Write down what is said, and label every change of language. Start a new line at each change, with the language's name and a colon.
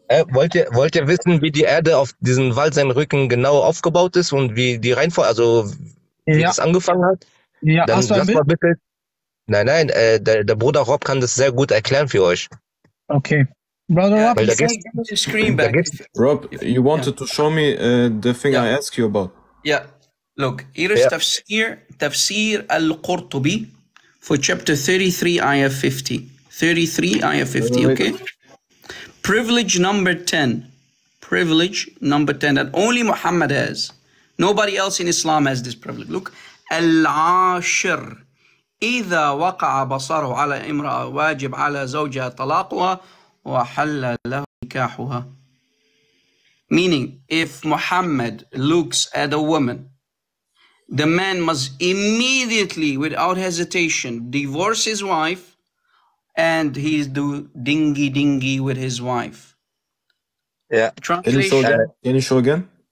German: wollt ihr wissen, wie die Erde auf diesem Wald seinen Rücken genau aufgebaut ist und wie die Reihenfolge, also wie es angefangen hat? Ja, dann hast du ein lass Bild? Mal bitte. Nein, der Bruder Rob kann das sehr gut erklären für euch. Okay.
English: Brother Rob, yeah, give me the screen back. Rob, you wanted to show me the thing I asked you about. Yeah, look, here is Tafsir al-Qurtubi for chapter 33, ayah 50. 33, ayah 50, okay? Privilege number 10. Privilege number 10 that only Muhammad has. Nobody else in Islam has this privilege. Look,
Arabic: العاشر إذا وقع بصره على امرأة واجب على زوجها طلاقها وحل له نكاحها.
English: Meaning, if Muhammad looks at a woman, the man must immediately, without hesitation, divorce his wife, and he do dingy dingy with his wife. Yeah. Can you show again?